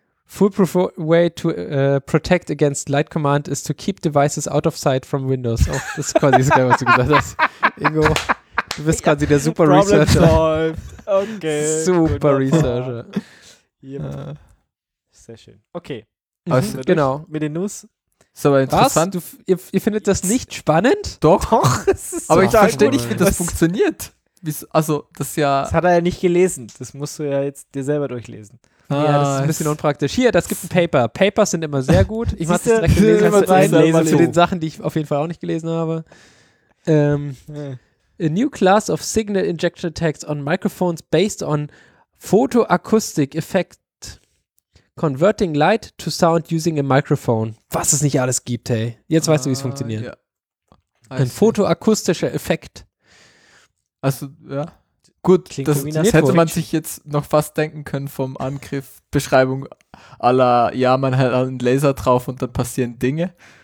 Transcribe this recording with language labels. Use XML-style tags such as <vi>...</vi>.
<en>Foolproof way to protect against light command is to keep devices out of sight from Windows.</en> <de>Oh, das ist quasi das, was du gesagt hast. Ingo, du bist quasi der super Problem</de> <en>Researcher. Solved. Okay. Super Researcher.</en> <de>Yep. Sehr schön. Okay. Also, genau. Mit den News. Ist aber interessant. Was? Ihr findet das nicht spannend? Doch. Aber ich verstehe nicht, wie das funktioniert. Das hat er ja nicht gelesen. Das musst du ja jetzt dir selber durchlesen. Ah, ja, das ist ein bisschen unpraktisch. Hier, das gibt ein Paper. Papers sind immer sehr gut. Ich mache das direkt in den Leser zu den Sachen, die ich auf jeden Fall auch nicht gelesen habe.</de> <en>A new class of signal injection attacks on microphones based on photoacoustic effect converting light to sound using a microphone.</en> <de>Was es nicht alles gibt, hey. Jetzt weißt du, wie es funktioniert. Yeah. Ein photoakustischer Effekt. Also, ja. Gut, das hätte man sich jetzt noch fast denken können vom Angriff, Beschreibung aller, ja, man hat einen Laser drauf und dann passieren Dinge.</de>